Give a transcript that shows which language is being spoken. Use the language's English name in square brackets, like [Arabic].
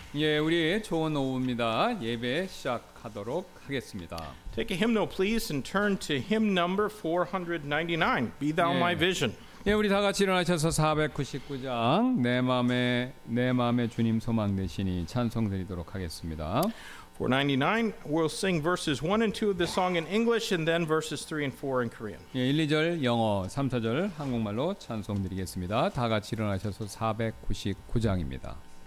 [Korean] 예, 우리 좋은 오후입니다. 예배 시작하도록 하겠습니다. [English] Take a hymnal, please, and turn to hymn number 499. Be Thou [Korean] 예. [English] My Vision. [Korean] 예, 우리 다 같이 일어나셔서 499장 내 마음의 주님 소망 되시니 찬송 드리도록 하겠습니다. 499. [English] We'll sing verses 1 and 2 of the song in English, and then verses 3 and 4 in Korean. [Korean] 예, 1, 2절 영어, 3, 4절 한국말로 찬송 드리겠습니다. 다 같이 일어나셔서 499장입니다.